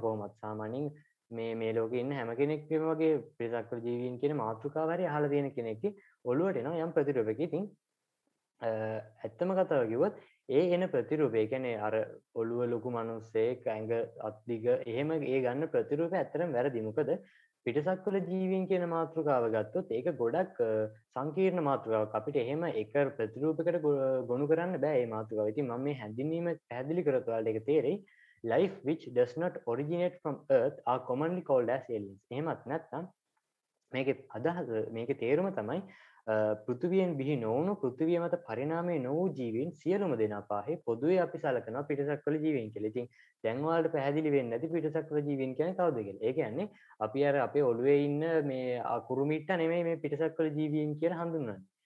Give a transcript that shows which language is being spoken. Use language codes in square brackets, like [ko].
[si] කොහොමත් සාමාන්‍යයෙන් මේ ලෝකේ ඉන්න හැම කෙනෙක්ගේම වගේ පිටසක්වල ජීවීන් කියන මාතෘකාව හරි අහලා තියෙන කෙනෙක්ගේ ඔළුවට එන යම් ප්‍රතිරූපයක් ඉතින් ඇත්තම කතාව කිව්වොත් ඒ එන ප්‍රතිරූපය කියන්නේ අර ඔළුව ලොකු මිනිස්සෙක් ඇඟ අද්දිග එහෙම ඒ ගන්න ප්‍රතිරූපය ඇත්තටම වැරදි. මොකද පිටසක්වල ජීවීන් කියන මාතෘකාව ගත්තොත් ඒක ගොඩක් සංකීර්ණ මාතෘකාවක්. අපිට එහෙම එක ප්‍රතිරූපයකට ගොනු කරන්න බෑ මේ මාතෘකාව. ඉතින් මම මේ හැඳින්වීම පැහැදිලි කරත් ඔයාලට ඒක තේරෙයි. [en] Life which does not originate from Earth are commonly called as aliens. [si] එහෙමත් නැත්නම් මේකේ අදහස මේකේ තේරුම තමයි පෘථිවියෙන් බිහි නොවුණු පෘථිවිය මත පරිණාමය නොවූ ජීවීන් සියලුම දෙනා පාහේ පොදුවේ අපි සලකනවා පිටසක්වල ජීවීන් කියලා. ඉතින් දැන් ඔයාලට පැහැදිලි වෙන්නේ නැති පිටසක්වල ජීවීන් කියන්නේ කවුද කියලා. ඒ කියන්නේ අපි අර අපේ ඔළුවේ ඉන්න මේ අකුරු මිට්ට නෙමෙයි මේ පිටසක්වල ජීවීන් කියලා හඳුන්වන්නේ.